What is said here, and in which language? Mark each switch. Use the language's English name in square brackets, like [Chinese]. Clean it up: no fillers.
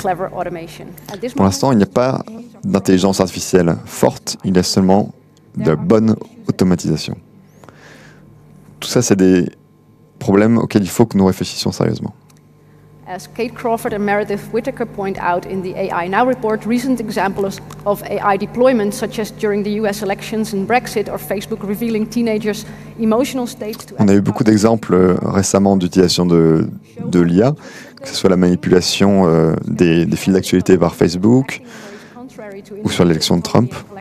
[French] Pour l'instant, il n'y a pas d'intelligence artificielle forte, il y a seulement de bonne automatisation. Tout ça, c'est des problème auquel il faut que nous réfléchissions sérieusement. [English] As Kate Crawford and Meredith Whittaker point out in the AI Now report, recent examples of AI deployment, such as during the US elections and Brexit or Facebook revealing teenagers' emotional states. [French] On a eu beaucoup d'exemples récemment d'utilisation de l'IA, que ce soit la manipulation des fils d'actualité par Facebook ou sur l'élection de Trump.